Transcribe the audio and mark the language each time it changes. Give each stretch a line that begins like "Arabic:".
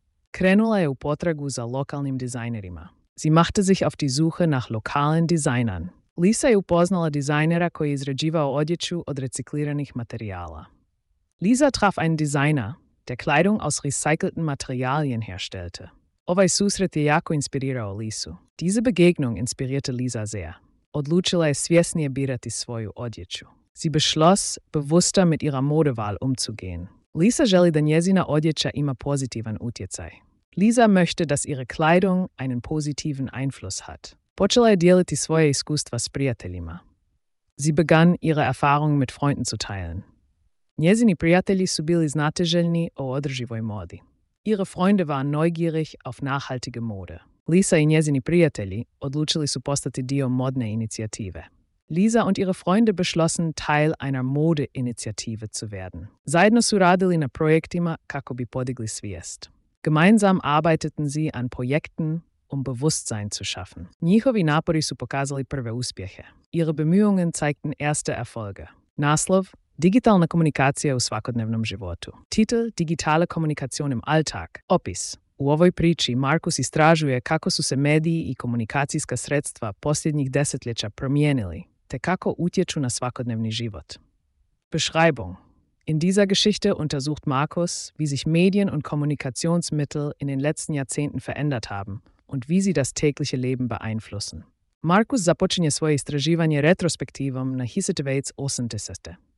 Croatian: Krenula je u potragu za lokalnim dizajnerima.
German: Sie machte sich auf die Suche nach lokalen Designern.
Croatian: Lisa je upoznala dizajnera koji je izrađivao odjeću od recikliranih materijala.
German: Lisa traf einen Designer, der Kleidung aus recycelten Materialien herstellte.
Croatian: Ovaj susret je jako inspirirao Lisu.
German: Diese Begegnung inspirierte Lisa sehr.
Croatian: Odlučila je svjesnije birati svoju odjeću.
German: Sie beschloss, bewusster mit ihrer Modewahl umzugehen.
Croatian: Lisa želi da njezina odjeća ima pozitivan utjecaj.
German: Lisa möchte, dass ihre Kleidung einen positiven Einfluss hat.
Croatian: Počela je dijeliti svoje iskustva s prijateljima.
German: Sie begann, ihre Erfahrungen mit Freunden zu teilen.
Croatian: Njezini prijatelji su bili znateželjni o održivoj modi.
German: Ihre Freunde waren neugierig auf nachhaltige Mode.
Croatian: Lisa i njezini prijatelji odlučili su postati dio modne inicijative.
German: Lisa und ihre Freunde beschlossen, Teil einer Modeinitiative zu werden.
Croatian: Zajedno su radili na projektima kako bi podigli svijest.
German: Gemeinsam arbeiteten sie an Projekten, um Bewusstsein zu schaffen.
Croatian: Njihovi napori su pokazali prve uspjehe.
German: Ihre Bemühungen zeigten erste Erfolge.
Croatian: Naslov: Digitalna komunikacija u svakodnevnom životu.
German: Titel: Digitale Kommunikation im Alltag.
Croatian: Opis: U ovoj priči Markus istražuje kako su se mediji i komunikacijska sredstva posljednjih desetljeća promijenili, te kako utječu na svakodnevni život.
German: Beschreibung: In dieser Geschichte untersucht Markus, wie sich Medien und Kommunikationsmittel in den letzten Jahrzehnten verändert haben und wie sie das tägliche Leben beeinflussen.
Croatian: Markus započinje svoje istraživanje retrospektivom na Hisetveits 80.